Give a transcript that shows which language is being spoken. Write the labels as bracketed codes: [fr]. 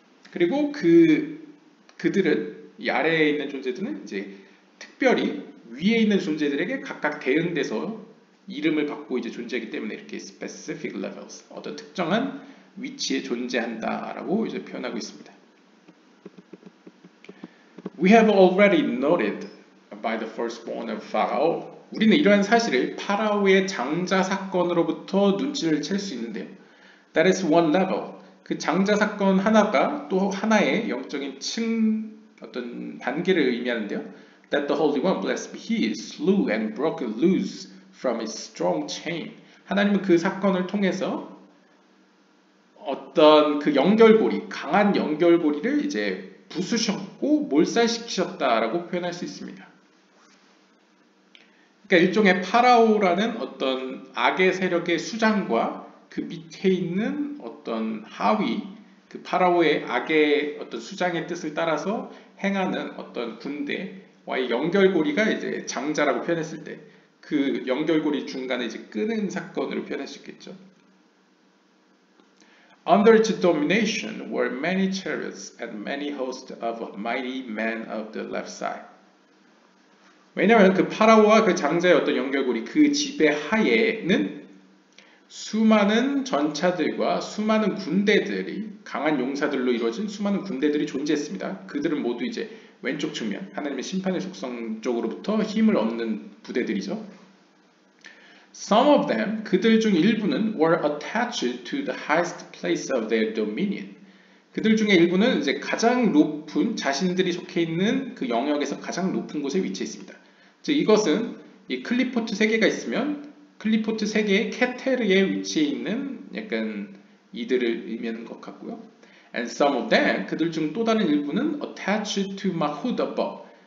[ko] 그리고 그들은 이 아래에 있는 존재들은 이제 특별히 위에 있는 존재들에게 각각 대응돼서 이름을 받고 이제 존재하기 때문에 이렇게 specific levels, 어떤 특정한 위치에 존재한다라고 이제 표현하고 있습니다. [en] We have already noted by the firstborn of Pharaoh. [ko] 우리는 이러한 사실을 파라오의 장자 사건으로부터 눈치를 챌 수 있는데요. [en] That is one level. [ko] 그 장자 사건 하나가 또 하나의 영적인 층 어떤 단계를 의미하는데요. [en] That the Holy One, blessed be He, slew and broke loose. From a strong chain. [ko] 하나님은 그 사건을 통해서 어떤 그 연결고리, 강한 연결고리를 이제 부수셨고 몰살시키셨다라고 표현할 수 있습니다. 그러니까 일종의 파라오라는 어떤 악의 세력의 수장과 그 밑에 있는 어떤 하위, 그 파라오의 악의 어떤 수장의 뜻을 따라서 행하는 어떤 군대와의 연결고리가 이제 장자라고 표현했을 때 그 연결고리 중간에 이제 끊은 사건으로 표현할 수 있겠죠. [en] Under its domination were many chariots and many hosts of mighty men of the left side. [ko] 왜냐하면 그 파라오와 그 장자의 어떤 연결고리, 그 지배 하에는 수많은 전차들과 수많은 군대들이, 강한 용사들로 이루어진 수많은 군대들이 존재했습니다. 그들은 모두 이제 왼쪽 측면, 하나님의 심판의 속성 쪽으로부터 힘을 얻는 부대들이죠. [en] Some of them, [ko] 그들 중 일부는 [en] were attached to the highest place of their dominion. [ko] 그들 중에 일부는 이제 가장 높은, 자신들이 속해 있는 그 영역에서 가장 높은 곳에 위치해 있습니다. 즉 이것은 이 클리포트 세계가 있으면 클리포트 세계의 케테르에 위치해 있는 약간 이들을 의미하는 것 같고요. [en] And some of them, [ko] 그들 중 또 다른 일부는 [en] attached to Mahud above.